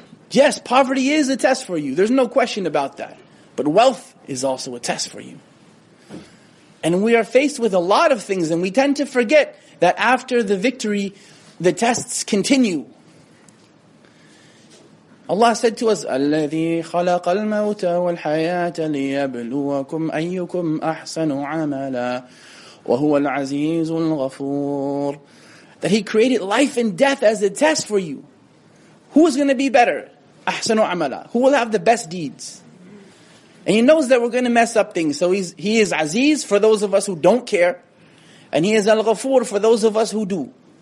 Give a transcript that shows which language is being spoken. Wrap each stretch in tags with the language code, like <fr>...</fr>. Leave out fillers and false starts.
<en>Yes, poverty is a test for you. There's no question about that. But wealth is also a test for you. And we are faced with a lot of things and we tend to forget that after the victory, the tests continue. Allah said to us,</en> <ar>الَّذِي خَلَقَ الْمَوْتَ وَالْحَيَاةَ لِيَبْلُوَكُمْ أَيُّكُمْ أَحْسَنُ عَمَلًا وَهُوَ الْعَزِيزُ الْغَفُورُ. That He created life and death as a test for you. Who is going to be better? أَحْسَنُ عَمَلًا.</ar> <en>Who will have the best deeds? And He knows that we're going to mess up things. So He is Aziz for those of us who don't care. And He is Al-Ghafoor for those of us who do.</en>